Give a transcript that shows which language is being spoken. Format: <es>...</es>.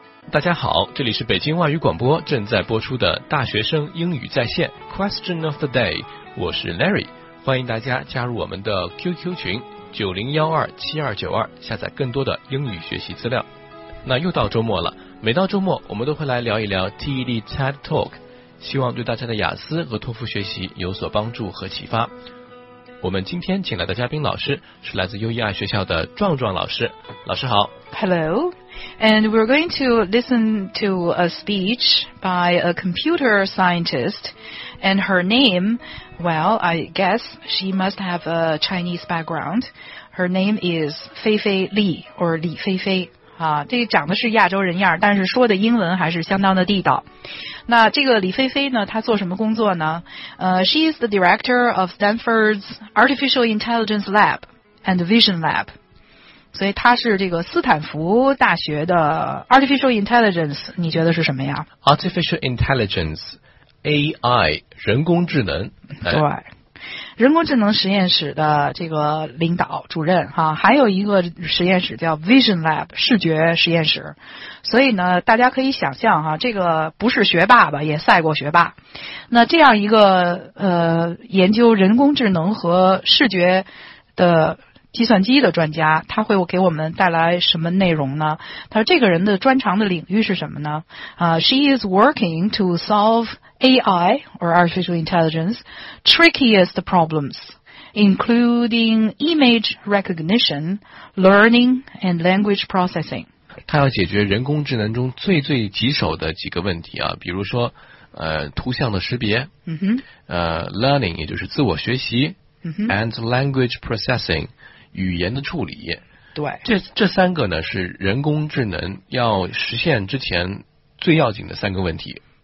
<zh>大家好，这里是北京外语广播正在播出的大学生英语在线 Question of the Day， 我是 Larry， 欢迎大家加入我们的 QQ 群90127292，下载更多的英语学习资料。那又到周末了，每到周末我们都会来聊一聊 TED TED Talk， 希望对大家的雅思和托福学习有所帮助和启发。我们今天请来的嘉宾老师是来自优一爱学校的壮壮老师。老师好。</zh> <en>Hello, and we're going to listen to a speech by a computer scientist, and her name, well, I guess she must have a Chinese background. Her name is Fei Fei Li, or Li Fei Fei.</en> <zh>这讲的是亚洲人样，但是说的英文还是相当的地道。那这个李菲菲呢，她做什么工作呢？</zh> <en>She is the director of Stanford's Artificial Intelligence Lab and Vision Lab.</en> <zh>所以她是这个斯坦福大学的 Artificial Intelligence， 你觉得是什么呀？</zh> <en>Artificial Intelligence, AI, 人工智能。</en> <zh>对。人工智能实验室的这个领导主任哈，还有一个实验室叫 Vision Lab 视觉实验室，所以呢，大家可以想象哈，这个不是学霸吧，也赛过学霸。那这样一个研究人工智能和视觉的计算机的专家，他会给我们带来什么内容呢？他说这个人的专长的领域是什么呢？</zh> <en>She is working to solve AI or artificial intelligence trickiest problems, including image recognition, learning, and language processing.</en> <zh>他要解决人工智能中最最棘手的几个问题啊，比如说图像的识别，learning 也就是自我学习，</zh> <en>and language processing</en> <zh>语言的处理。对，这三个呢是人工智能要实现之前最要紧的三个问题。</zh>